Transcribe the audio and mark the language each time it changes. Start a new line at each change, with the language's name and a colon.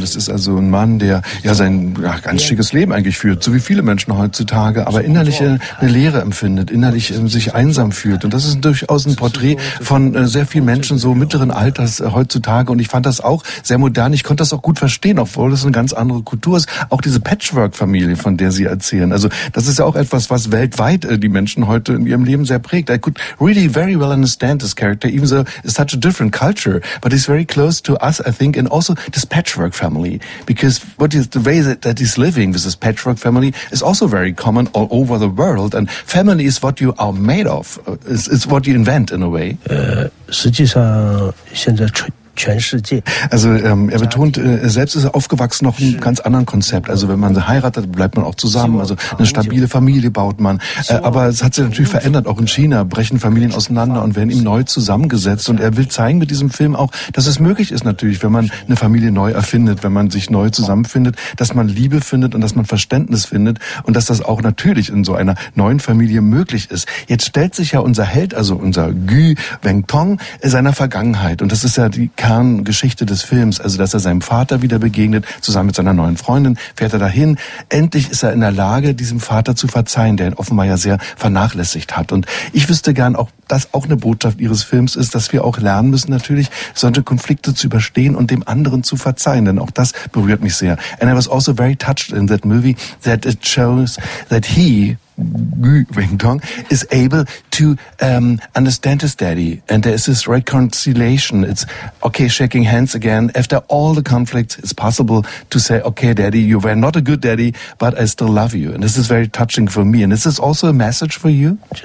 German: Das ist also ein Mann, der ja sein ganz schickes Leben eigentlich führt, so wie viele Menschen heutzutage, aber innerlich eine Leere empfindet, innerlich sich einsam fühlt. Und das ist durchaus ein Porträt von sehr vielen Menschen so mittleren Alters heutzutage. Und ich fand das auch sehr modern. Ich konnte das auch gut verstehen, obwohl das eine ganz andere Kultur ist. Auch diese Patchwork-Familie, von der Sie erzählen. Also das ist ja auch etwas, was weltweit die Menschen heute in ihrem Leben sehr prägt.
English: I could really very well understand this character, even though it's such a different culture, but he's very close to us, I think, and also this patchwork family, because what is the way that he's living with this patchwork family is also very common all over the world, and family is what you are made of, it's what you invent in a way.
Chinese: 实际上现在
German: Also er betont, er selbst ist aufgewachsen auf einem ganz anderen Konzept. Also wenn man heiratet, bleibt man auch zusammen. Also eine stabile Familie baut man. Aber es hat sich natürlich verändert. Auch in China brechen Familien auseinander und werden ihm neu zusammengesetzt. Und er will zeigen mit diesem Film auch, dass es möglich ist natürlich, wenn man eine Familie neu erfindet, wenn man sich neu zusammenfindet, dass man Liebe findet und dass man Verständnis findet und dass das auch natürlich in so einer neuen Familie möglich ist. Jetzt stellt sich ja unser Held, also unser Gu Wentong, seiner Vergangenheit. Und das ist ja die Kerngeschichte des Films, also dass er seinem Vater wieder begegnet, zusammen mit seiner neuen Freundin, fährt er dahin. Endlich ist er in der Lage, diesem Vater zu verzeihen, der ihn offenbar ja sehr vernachlässigt hat. Und ich wüsste gern auch, dass auch eine Botschaft Ihres Films ist, dass wir auch lernen müssen, natürlich solche Konflikte zu überstehen und dem anderen zu verzeihen, denn auch das berührt mich sehr.
English: And I was also very touched in that movie, that it shows that he, Gu Wentong, is able to understand his daddy, and there is this reconciliation. It's okay shaking hands again after all the conflicts. It's possible to say, okay daddy, you were not a good daddy, but I still love you. And this is very touching for me, and this is also a message for you.